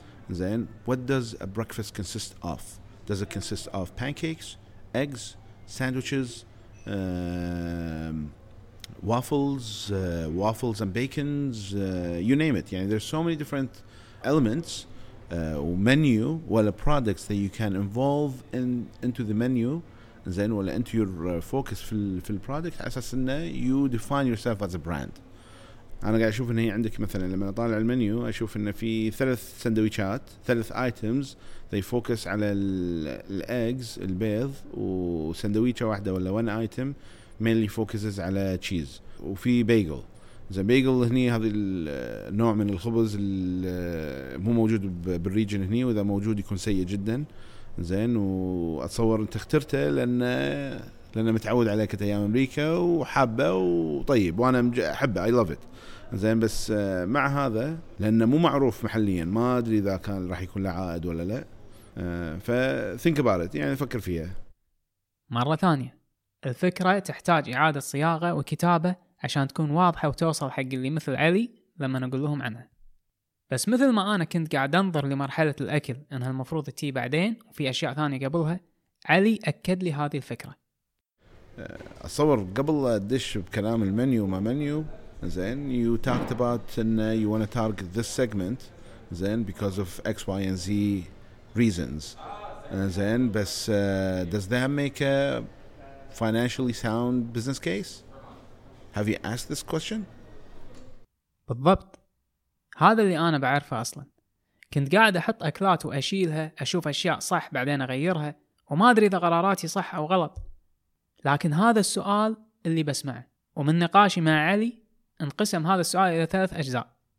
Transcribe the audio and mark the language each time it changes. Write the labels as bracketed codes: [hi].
[en] And then what does a breakfast consist of? Does it consist of pancakes, eggs, sandwiches, waffles, waffles and bacons, you name it. Yeah, there's so many different elements. Menu, well, the products that you can involve into the menu, and then well, into your focus في product, as I said, you define yourself as a brand. [ar] أنا قاعد أشوف إن هي عندك مثلاً لما أطالع المنيو أشوف إن في ثلاث سندويشات ثلاث [en] items they focus [ar] على ال eggs البيض وسندويشة واحدة ولا [en] one item mainly focuses [ar] على cheese وفي bagel. زين بيجل هني هذا النوع من الخبز اللي مو موجود بالريجن هني وإذا موجود يكون سيء جدا. زين وأتصور أنت اخترته لأن متعود عليه كأيام أمريكا وحبه وطيب وأنا أحبه [en] I love it. [ar] زين بس مع هذا لأنه مو معروف محليا ما أدري إذا كان راح يكون له عائد ولا لا. ف [en] think about it [ar] يعني فكر فيها. مرة ثانية الفكرة تحتاج إعادة صياغة وكتابة عشان تكون واضحة وتوصل حق اللي مثل علي لما نقول لهم عنها. بس مثل ما أنا كنت قاعد أنظر لمرحلة الأكل إنها المفروض تي بعدين وفي أشياء ثانية قبلها علي أكد لي هذه الفكرة. أصور قبل أدش بكلام المنيو ما منيو زين [en] you talked about [ar] إن [en] you want to target this segment [ar] زين [en] because of X Y and Z reasons [ar] زين بس [en] does that make a financially sound business case? Have you asked this question? [ar] بالضبط. هذا اللي أنا بعرفه أصلاً. كنت قاعد أحط أكلات وأشيلها، أشوف أشياء صح بعدين أغيرها، وما أدري إذا قراراتي صح أو غلط. لكن هذا السؤال اللي بسمعه، ومن نقاشي مع علي، انقسم هذا السؤال إلى ثلاث أجزاء.